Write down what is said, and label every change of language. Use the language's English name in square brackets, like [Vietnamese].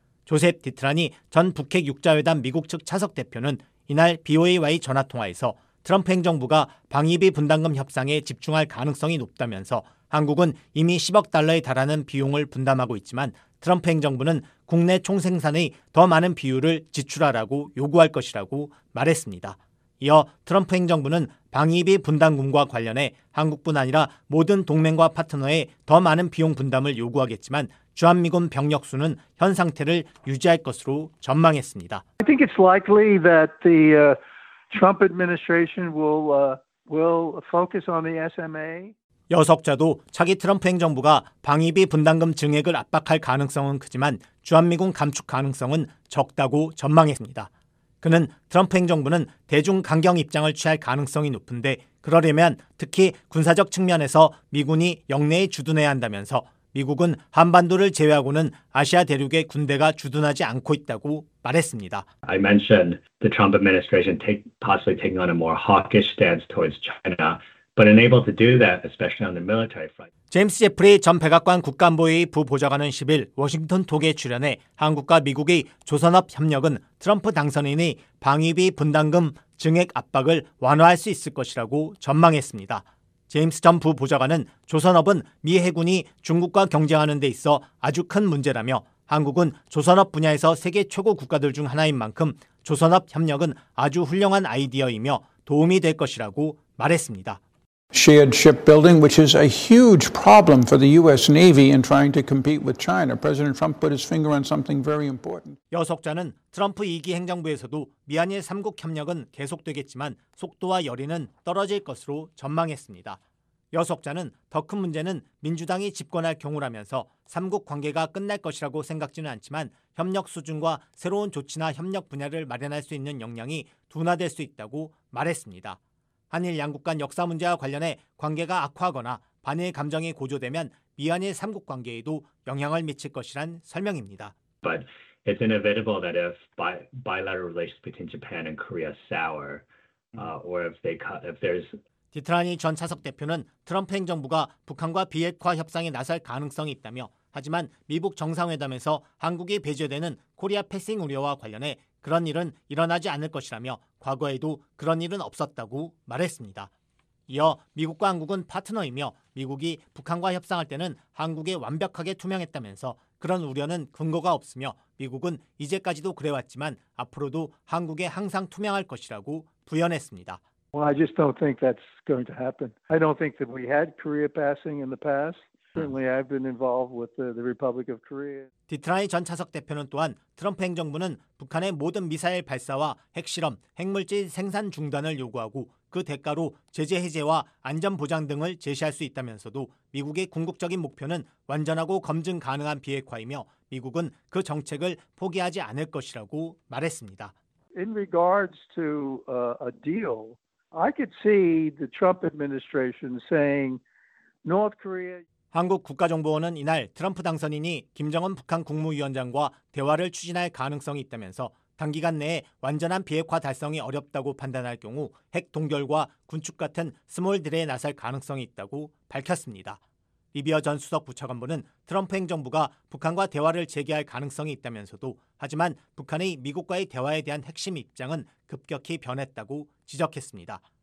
[Korean] 조셉 디트라니 전 북핵 6자회담 미국 측 차석 대표는 이날 BOA와의 전화통화에서 트럼프 행정부가 방위비 분담금 협상에 집중할 가능성이 높다면서 한국은 이미 10억 달러에 달하는 비용을 분담하고 있지만 트럼프 행정부는 국내 총생산의 더 많은 비율을 지출하라고 요구할 것이라고 말했습니다. 이어 트럼프 행정부는 방위비 분담금과 관련해 한국뿐 아니라 모든 동맹과 파트너에 더 많은 비용 분담을 요구하겠지만 주한미군 병력 수는 현 상태를 유지할 것으로 전망했습니다. [English] I think it's likely that the Trump administration will focus on the SMA. [Korean] 여석자도 차기 트럼프 행정부가 방위비 분담금 증액을 압박할 가능성은 크지만 주한미군 감축 가능성은 적다고 전망했습니다. 그는 트럼프 행정부는 대중 강경 입장을 취할 가능성이 높은데 그러려면 특히 군사적 측면에서 미군이 영내에 주둔해야 한다면서 미국은 한반도를 제외하고는 아시아 대륙의 군대가 주둔하지 않고 있다고 말했습니다. [English] I mentioned the Trump administration possibly taking on a more hawkish stance towards China. But unable to do that, especially on the military front. [Korean] 제임스 제프리 전 백악관 국가안보의 부보좌관은 10일 워싱턴 톡에 출연해 한국과 미국의 조선업 협력은 트럼프 당선인이 방위비 분담금 증액 압박을 완화할 수 있을 것이라고 전망했습니다. 제임스 전 부보좌관은 조선업은 미 해군이 중국과 경쟁하는 데 있어 아주 큰 문제라며 한국은 조선업 분야에서 세계 최고 국가들 중 하나인 만큼 조선업 협력은 아주 훌륭한 아이디어이며 도움이 될 것이라고 말했습니다. [English] Shared shipbuilding, which is a huge problem for the U.S. Navy in trying to compete with China. President Trump put his finger on something very important. [Korean] 여석자는 트럼프 2기 행정부에서도 미한일 3국 협력은 계속되겠지만 속도와 열의는 떨어질 것으로 전망했습니다. 여석자는 더 큰 문제는 민주당이 집권할 경우라면서 3국 관계가 끝날 것이라고 생각지는 않지만 협력 수준과 새로운 조치나 협력 분야를 마련할 수 있는 역량이 둔화될 수 있다고 말했습니다. 한일 양국 간 역사 문제와 관련해 관계가 악화하거나 반일 감정이 고조되면 미한일 3국 관계에도 영향을 미칠 것이란 설명입니다. [English] But it's inevitable that if bilateral relations between Japan and Korea sour or if they cut if there's [Korean] 디트라니 전 차석 대표는 트럼프 행정부가 북한과 비핵화 협상에 나설 가능성이 있다며 하지만 미국 정상회담에서 한국이 배제되는 코리아 패싱 우려와 관련해 그런 일은 일어나지 않을 것이라며 과거에도 그런 일은 없었다고 말했습니다. 이어 미국과 한국은 파트너이며 미국이 북한과 협상할 때는 한국에 완벽하게 투명했다면서 그런 우려는 근거가 없으며 미국은 이제까지도 그래왔지만 앞으로도 한국에 항상 투명할 것이라고 부연했습니다. [English] Well, I just don't think that's going to happen. I don't think that we had Korea passing in the past. Certainly, I've been involved with the Republic of Korea. [Korean] 디트라니 전 차석 대표는 또한 트럼프 행정부는 북한의 모든 미사일 발사와 핵실험, 핵물질 생산 중단을 요구하고 그 대가로 제재 해제와 안전 보장 등을 제시할 수 있다면서도 미국의 궁극적인 목표는 완전하고 검증 가능한 비핵화이며 미국은 그 정책을 포기하지 않을 것이라고 말했습니다. [English] In regards to a deal, I could see the Trump administration saying North Korea. [Korean] 한국 국가정보원은 이날 트럼프 당선인이 김정은 북한 국무위원장과 대화를 추진할 가능성이 있다면서 단기간 내에 완전한 비핵화 달성이 어렵다고 판단할 경우 핵 동결과 군축 같은 스몰 딜에 나설 가능성이 있다고 밝혔습니다. 리비어 전 수석 부차관보는 트럼프 행정부가 북한과 대화를 재개할 가능성이 있다면서도 하지만 북한의 미국과의 대화에 대한 핵심 입장은 급격히 변했다고 지적했습니다.